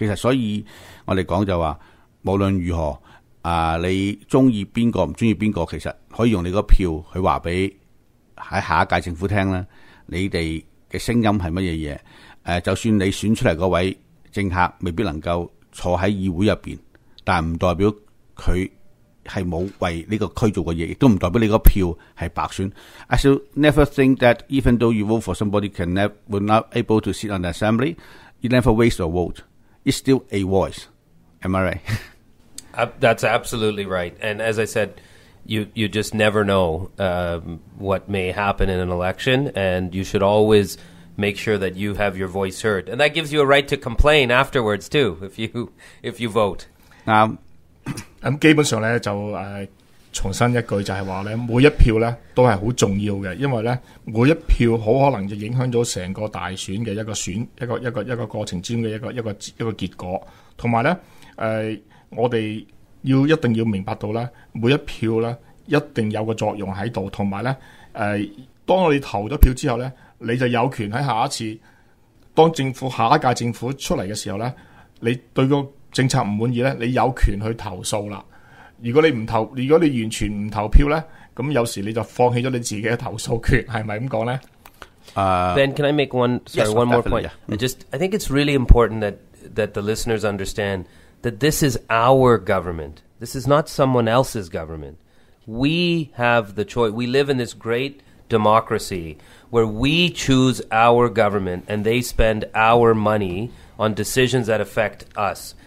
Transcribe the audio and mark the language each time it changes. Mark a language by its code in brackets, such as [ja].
[zh] 其实所以我们讲就说，无论如何你喜欢哪个不喜欢哪个，其实可以用你的票去告诉在下一届政府听你们的声音是什么东西，就算你选出来的那位政客未必能够坐在议会里面，但不代表他是没有为这个区做过事，也不代表你的票是白选。 [en] I shall never think that even though you vote for somebody will not able to sit on the assembly, you never waste a vote. It's still a voice. Am I right? That's absolutely right. And as I said, you just never know what may happen in an election, and you should always... make sure that you have your voice heard. And that gives you a right to complain afterwards, too, if you vote. [zh] 基本上呢就重申一句，就是说呢每一票呢都是很重要的，因为呢每一票很可能就影响了整个大选的一个过程中的一个结果。还有呢我们要一定要明白到呢每一票呢一定有个作用在这里，还有呢当我们投了票之后呢，你就有权在下一次当政府下一届政府出来的时候呢，你对个政策不满意呢，你有权去投诉了。如果你完全不投票呢，那有时你就放弃了你自己的投诉权，是不是这样说呢？ [en] Ben, can I make one more point? I think it's really important that the listeners understand that this is our government. This is not someone else's government. We have the choice. We live in this great democracy. Where we choose our government and they spend our money on decisions that affect us.